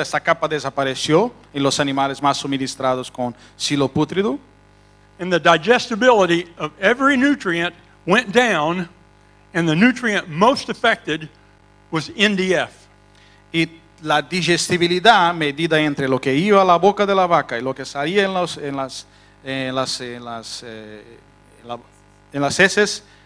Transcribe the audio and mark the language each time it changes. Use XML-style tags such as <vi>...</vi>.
<es>Esa capa desapareció en los animales más suministrados con silo pútrido.</es> <en>And the digestibility of every nutrient went down, and the nutrient most affected was NDF.</en> <es>Y la digestibilidad medida entre lo que iba a la boca de la vaca y lo que salía en las heces</es>